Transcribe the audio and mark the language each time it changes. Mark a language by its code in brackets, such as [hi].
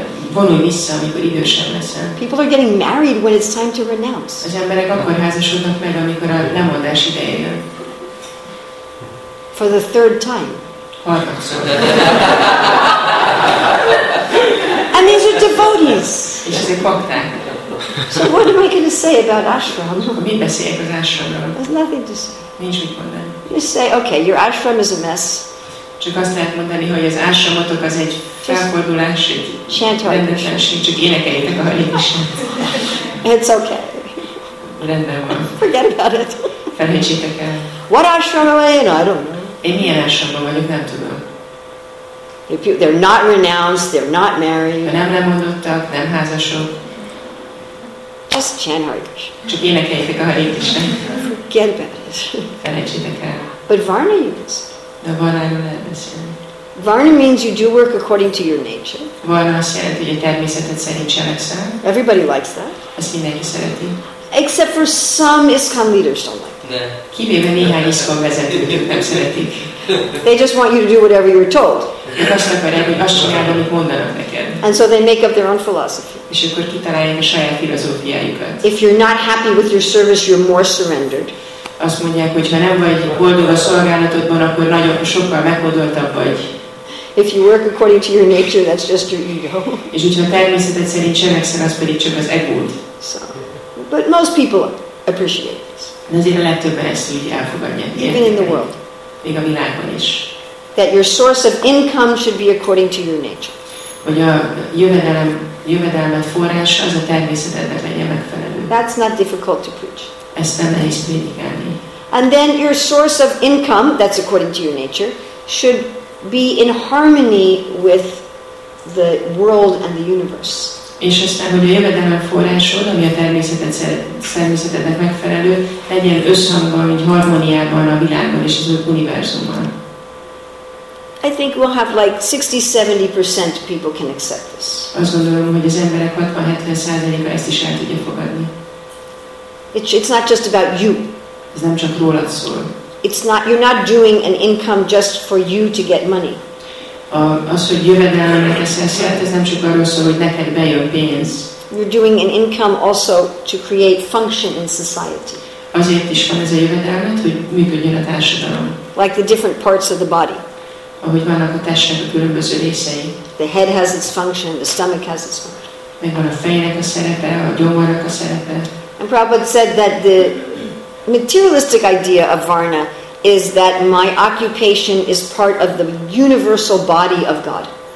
[hu] Vonulj vissza, amikor idősebb leszel. [en] People are getting married when it's time to renounce. [hu] Az emberek akkor házasodnak meg, amikor a lemondás ideje jön. [en] For the third time. And these are devotees. [hu] És ezek pakták. [en] So what am I going to say about ashram? [hu] Mit beszéljek az ashramról? [en] There's nothing to say. [hu] Nincs mit mondani. [en] You say, okay, your ashram is a mess. [hu] Csak azt lehet mondani, hogy az ashramotok az egy felfordulás, rendetlenség, csak énekeljétek a harikusat. [en] It's okay. [hu] Rendben van. [en] Forget about it. [hu] Felejtsétek el. [en] What ashram am I in? I don't know. [hu] Én milyen ashramban vagyok, nem tudom. [en] They're not renounced, they're not married. [hu] Ha nem lemondottak, nem házasok. [en] Just chant Hare Krishna. [hu] Csak énekeljétek a Hare Krishna. [en] Forget about it. [hu] Felejtsétek el. [en] But Varna you can say. [hu] De Varnáról lehet beszélni. [en] Varna means you do work according to your nature. [hu] Varna azt jelenti, hogy a természetet szerint cselekszel. [en] Everybody likes that. [hu] Ezt mindenki szereti. [en] Except for some ISKCON leaders don't like that. [hu] Kivéve néhány ISKCON vezetők nem szeretik. [en] They just want you to do whatever you're told. [hu] Ők azt akarják, hogy azt csinálod, amit mondanak neked. [en] And so they make up their own philosophy. [hu] És akkor kitalálják a saját filozófiájukat. [en] If you're not happy with your service, you're more surrendered. [hu] Azt mondják, hogy ha nem vagy boldog a szolgálatodban, akkor nagyon sokkal megboldoltabb vagy. [en] If you work according to your nature, that's just your ego. [hu] És hogyha természeted szerint cselekszel, az pedig csak az egód. [en] So, but most people appreciate this. [hu] De azért a legtöbben ezt úgy elfogadják. [en] Even in the world. [hu] Még a világban is. [en] That your source of income should be according to your nature. [hu] Hogy a jövedelmed forrás az a természetednek legyen megfelelő. [en] That's not difficult to preach. [hu] Ezt nem nehéz prédikálni. [en] And then your source of income, that's according to your nature, should be in harmony with the world and the universe. [hu] És aztán, hogy a jövedelmed forrásod, ami a természetednek megfelelő, legyen összhangban, vagy harmóniában a világban és az univerzumban. [en] I think we'll have like 60-70% people can accept this. [hu] Azt gondolom, hogy az emberek 60-70%-a ezt is el tudja fogadni. [en] It's not just about you. [hu] Ez nem csak rólad szól. [en] It's not, you're not doing an income just for you to get money. [hu] Az, hogy jövedelmet eszelsz, ez nem csak arról szól, hogy neked bejön pénz. [en] You're doing an income also to create function in society. [hu] Azért is van ez a jövedelmet, hogy működjön a társadalom. [en] Like the different parts of the body. [hu] Ahogy vannak a testnek a különböző részei. [en] The head has its function, the stomach has its function. [hu] Megvan a fejnek a szerepe, a gyomornak a szerepe. [en] And Prabhupada said that the materialistic idea of Varna is that my occupation is part of the universal body of God.